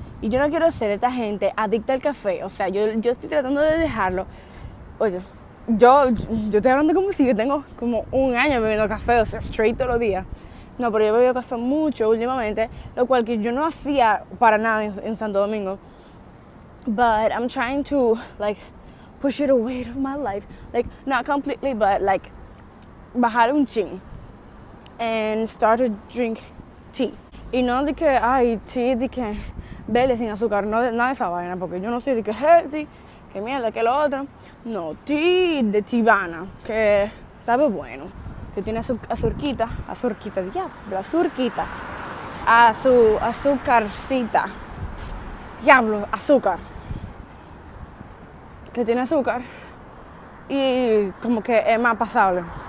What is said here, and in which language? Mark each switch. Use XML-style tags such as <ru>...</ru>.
<es>Y yo no quiero ser esta gente adicta al café, o sea, yo estoy tratando de dejarlo. Oye, yo estoy hablando como si yo tengo como un año bebiendo café, o sea, straight todos los días. No, pero yo he bebido café mucho últimamente, lo cual que yo no hacía para nada en Santo Domingo.</es> <en>But I'm trying to, like, push it away from my life. Like, not completely, but, like,</en> <es>bajar un ching.</es> <en>and started drink tea.</en> <es>Y no de que, ay, tea de que verde sin azúcar, no de, no de esa vaina, porque yo no soy de que healthy, que mierda, que lo otro. No, tea de chibana, que sabe bueno, que tiene azurquita, azurquita, diablo, azurquita, azúcarcita, diablo, azúcar, que tiene azúcar y como que es más pasable.</es>